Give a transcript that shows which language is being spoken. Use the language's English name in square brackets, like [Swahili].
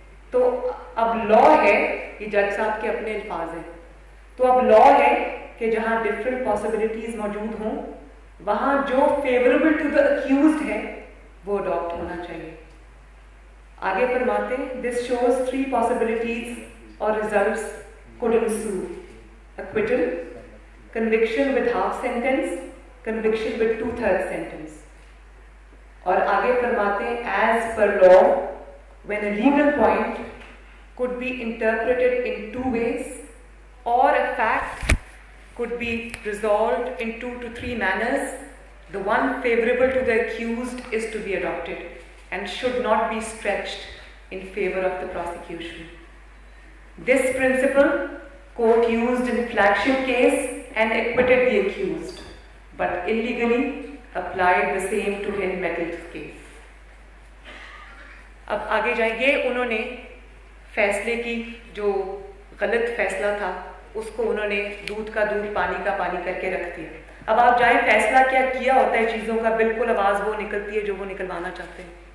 [Urdu] تو اب لا ہے, یہ جج صاحب کے اپنے الفاظ ہیں, تو اب لا ہے کہ جہاں ڈفرینٹ پاسبلٹیز موجود ہوں وہاں جو [English] favourable to the accused [Urdu] ہے وہ اڈاپٹ ہونا چاہیے. آگے فرماتے ہیں, [English] This shows three possibilities اور results could ensue. Acquittal, conviction with half sentence, conviction with two third sentence. [Urdu] اور آگے فرماتے ہیں, [English] As per law when a legal point could be interpreted in two ways or a fact could be resolved in 2 to 3 manners, the one favorable to the accused is to be adopted and should not be stretched in favor of the prosecution. This principle court used in flagship case and acquitted the accused but illegally applied the same to him metals case. [Urdu] ab aage jayenge, unhone faisle ki jo galat faisla tha اس کو انہوں نے دودھ کا دودھ پانی کا پانی کر کے رکھ دیا. اب آپ جائیں, فیصلہ کیا کیا ہوتا ہے چیزوں کا, بالکل آواز وہ نکلتی ہے جو وہ نکلوانا چاہتے ہیں.